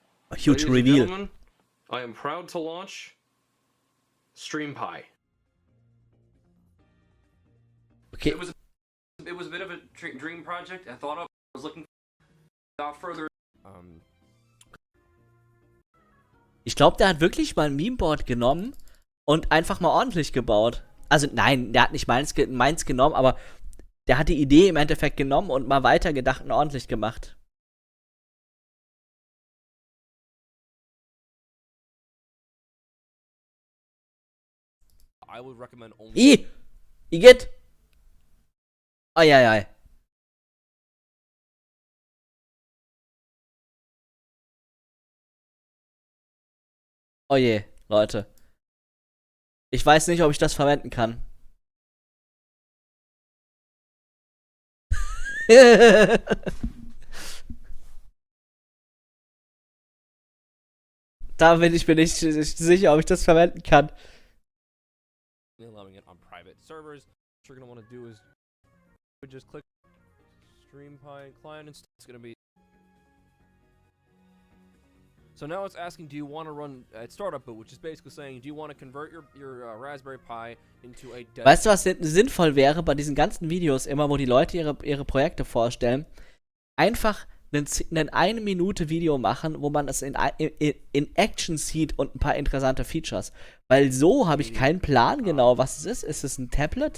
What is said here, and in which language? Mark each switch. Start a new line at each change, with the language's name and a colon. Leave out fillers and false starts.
English: A huge Ladies reveal. And gentlemen, I am proud to launch Stream Pi. Okay. It was a bit of a dream project. I thought of. I was looking without further.
German: Ich glaube, der hat wirklich mal ein Memeboard genommen und einfach mal ordentlich gebaut. Also nein, der hat nicht meins genommen, aber der hat die Idee im Endeffekt genommen und mal weitergedacht und ordentlich gemacht.
English: I would recommend
German: only. Igitt! Eieiei. Oje, Leute. Ich weiß nicht, ob ich das verwenden kann. Da bin ich mir nicht sicher, ob ich das verwenden kann.
English: Allowing it on private servers. What you're gonna want to do is just click StreamPy client instead. It's gonna be so now it's asking, do you want to run at startup boot, which is basically saying, do you want to convert your Raspberry Pi into a desktop?
German: Weißt du, was sinnvoll wäre bei diesen ganzen Videos immer, wo die Leute ihre Projekte vorstellen? Einfach ein 1-Minute-Video machen, wo man es in Action sieht und ein paar interessante Features. Weil so habe ich keinen Plan genau, was es ist. Ist es ein Tablet?